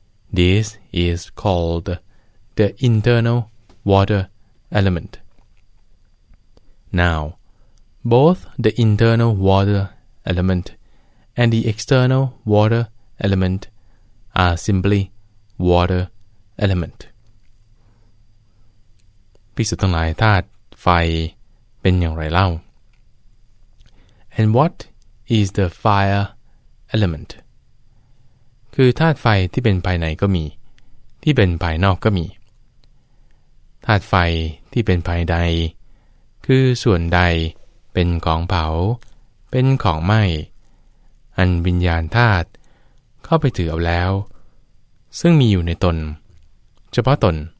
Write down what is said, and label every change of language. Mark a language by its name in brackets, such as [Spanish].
[English] This is called the internal water element. Now, both the internal water element and the external water element are simply water element. [Thai] ภิกษุทั้งหลายธาตุไฟเป็นอย่างไรเล่า [English] And what is the fire element? [Thai] คือธาตุไฟที่เป็นภายในก็มีที่เป็นภายนอกก็มีธาตุไฟที่เป็นภายในคือส่วนใดเป็นของเผาเป็นของไหม้อันวิญญาณธาตุเข้าไปถือเอาแล้วซึ่งมีอยู่ในตนเฉพาะตน